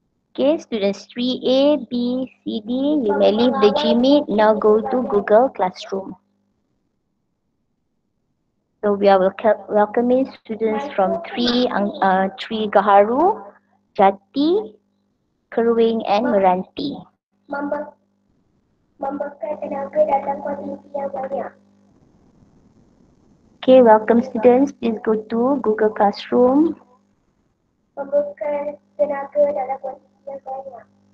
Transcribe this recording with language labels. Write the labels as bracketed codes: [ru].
[en] Okay, students 3A, B, C, D, you may leave the GMeet, now go to Google Classroom. So we are welcoming students from 3 Gaharu Jati, Kerwing and Meranti. [ms] Membekal tenaga dalam kuantiti yang banyak. [en] Okay, welcome students. Please go to Google Classroom. [ms] Membekal tenaga dalam kuantiti yang banyak.